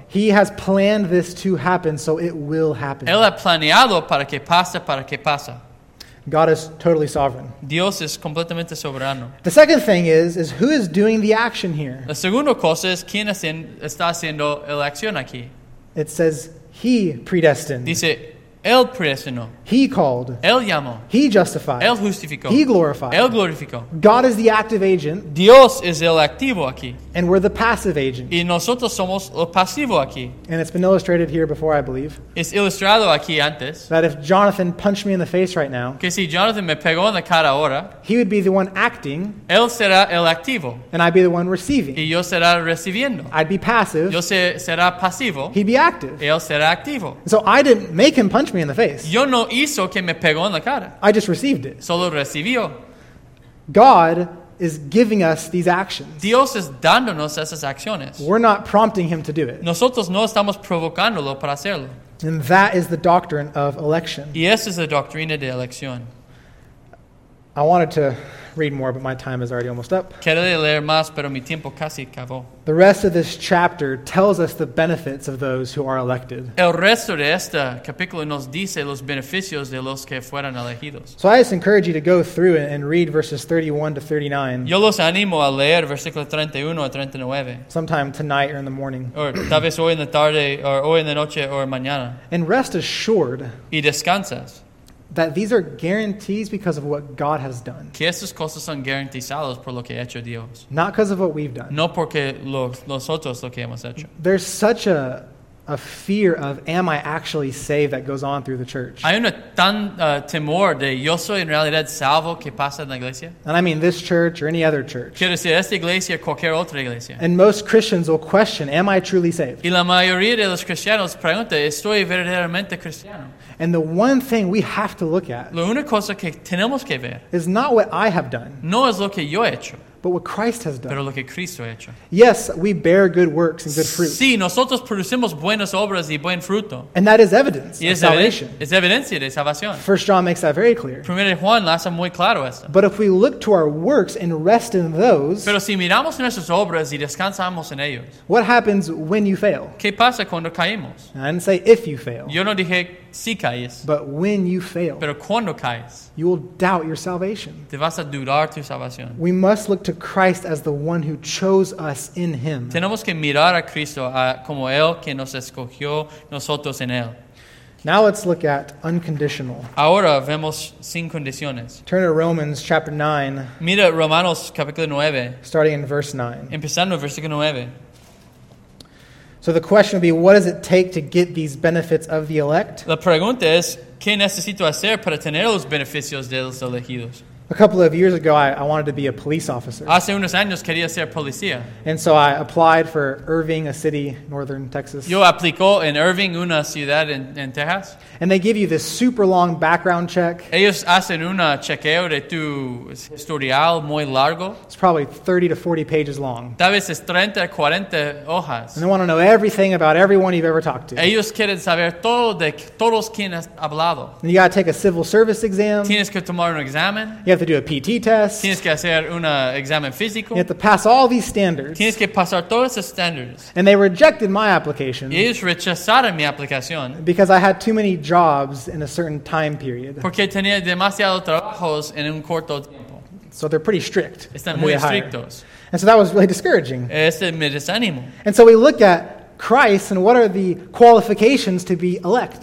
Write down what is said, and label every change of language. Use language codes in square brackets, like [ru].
[en] He has planned this to happen, so it will happen. [es] Él ha planeado para que pase, para que pasa. [en] God is totally sovereign. [es] Dios es completamente soberano. [en] The second thing is who is doing the action here? [es] La segunda cosa es quién está haciendo la acción aquí. [en] It says he predestined. [es] Dice él predestinó. [en] He called. [es] Él llamó. [en] He justified. [es] Él justificó. [en] He glorified. [es] Él glorificó. [en] God is the active agent. [es] Dios es el activo aquí. [en] And we're the passive agent. [es] Y nosotros somos el pasivo aquí. [en] And it's been illustrated here before, I believe. [es] Es ilustrado aquí antes. [en] That if Jonathan punched me in the face right now. [es] Que si Jonathan me pegó en la cara ahora. [en] He would be the one acting. [es] Él será el activo. [en] And I'd be the one receiving. [es] Y yo será recibiendo. [en] I'd be passive. [es] Yo será pasivo. [en] He'd be active. [es] Y él será activo. [en] So I didn't make him punch me in the face. [es] Yo no hizo que me pegó en la cara. [en] I just received it. [es] Solo recibió. [en] God is giving us these actions. [es] Dios es dándonos esas acciones. [en] We're not prompting him to do it. [es] Nosotros no estamos provocándolo para hacerlo. [en] And that is the doctrine of election. [es] Y esa es la doctrina de elección. [en] I wanted to read more, but my time is already almost up. [es] Quería leer más, pero mi tiempo casi acabó. [en] The rest of this chapter tells us the benefits of those who are elected. [es] El resto de este capítulo nos dice los beneficios de los que fueron elegidos. [en] So I just encourage you to go through and read verses 31 to 39. [es] Yo los animo a leer versículos 31 a 39. [en] Sometime tonight or in the morning. [es] Or tal vez hoy en la tarde, or hoy en la noche, or mañana. [en] And rest assured. [es] Y descansas. [en] That these are guarantees because of what God has done. [es] Que estas cosas son garantizadas por lo que ha hecho Dios. [en] Not because of what we've done. [es] No porque nosotros lo que hemos hecho. [en] There's such a fear of, am I actually saved, that goes on through the church. [es] Hay un tan temor de, yo soy en realidad salvo, que pasa en la iglesia. [en] And I mean this church or any other church. [es] Quiero decir, esta iglesia, cualquier otra iglesia. [en] And most Christians will question, am I truly saved? [es] Y la mayoría de los cristianos pregunta, ¿estoy verdaderamente cristiano? [en] And the one thing we have to look at, [es] la una cosa que tenemos que ver, [en] is not what I have done. [es] No es lo que yo he hecho. [en] But what Christ has done. [es] Pero lo que Cristo ha hecho. [en] Yes, we bear good works and good fruit. [es] Sí, nosotros producimos buenas obras y buen fruto. [en] And that is evidence [es] y [en] of salvation. [es] Es evidencia de salvación. [en] 1 John makes that very clear. [es] Primero Juan lo hace muy claro esto. [en] But if we look to our works and rest in those. [es] Pero si miramos nuestras obras y descansamos en ellos. [en] What happens when you fail? [es] ¿Qué pasa cuando caemos? [en] I didn't say if you fail. [es] Yo no dije si caes. [en] But when you fail. [es] Pero cuando caes. [en] You will doubt your salvation. [es] Te vas a dudar tu salvación. [en] We must look to Christ as the one who chose us in him. [es] Tenemos que mirar a Cristo como él que nos escogió nosotros en él. [en] Now let's look at unconditional. [es] Ahora vemos sin condiciones. [en] Turn to Romans chapter 9. [es] Mira Romanos capítulo 9. [en] Starting in verse 9. [es] Empezando en versículo 9. [en] So the question would be, what does it take to get these benefits of the elect? [es] La pregunta es, ¿qué necesito hacer para tener los beneficios de los elegidos? [en] A couple of years ago, I wanted to be a police officer. [es] Hace unos años quería ser policía. [en] And so I applied for Irving, a city in northern Texas. [es] Yo aplicó en Irving, una ciudad en Texas. [en] And they give you this super long background check. [es] Ellos hacen un chequeo de tu historial muy largo. [en] It's probably 30 to 40 pages long. [es] Tal vez es 30 a 40 hojas. [en] And they want to know everything about everyone you've ever talked to. [es] Ellos quieren saber todo de todos quien has hablado. [en] And you got to take a civil service exam. [es] Tienes que tomar un examen. [en] You have to do a PT test. [es] Tienes que hacer un examen físico. [en] You have to pass all these standards. [es] Tienes que pasar todos esos standards. [en] And they rejected my application. [es] Y ellos rechazaron mi aplicación. [en] Because I had too many jobs in a certain time period. [es] Porque tenía demasiados trabajos en un corto tiempo. [en] So they're pretty strict. [es] Están muy estrictos. [en] And so that was really discouraging. [es] Este me desanimó. [en] And so we look at Christ and what are the qualifications to be elect?